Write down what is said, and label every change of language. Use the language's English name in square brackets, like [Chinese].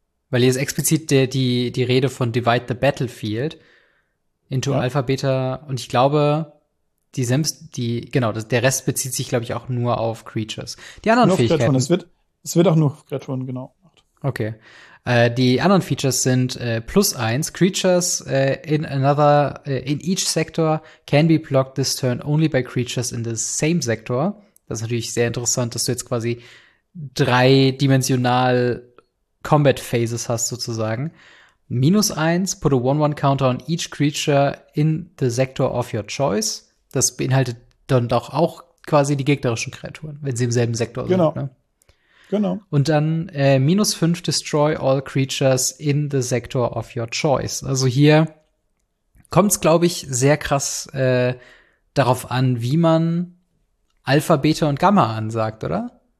[German] Weil hier ist explizit die Rede von [English] Divide the Battlefield into Alpha, Beta. [German] Und ich glaube, der Rest bezieht sich, glaube ich, auch nur auf Creatures. Die anderen Fähigkeiten. Es wird auch nur Kreaturen, genau. Okay. Die anderen Features sind plus eins. [English] Creatures in each sector can be blocked this turn only by creatures in the same sector. [German] Das ist natürlich sehr interessant, dass du jetzt quasi dreidimensional Combat Phases hast sozusagen. Minus eins, [English] put a 1-1 counter on each creature in the sector of your choice. [German] Das beinhaltet dann doch auch quasi die gegnerischen Kreaturen, wenn sie im selben Sektor sind. Genau. Ne? Genau. Und dann minus 5, [English] destroy all creatures in the sector of your choice. [German] Also hier kommt's, glaube ich, sehr krass darauf an, wie man Alpha, Beta und Gamma ansagt, oder?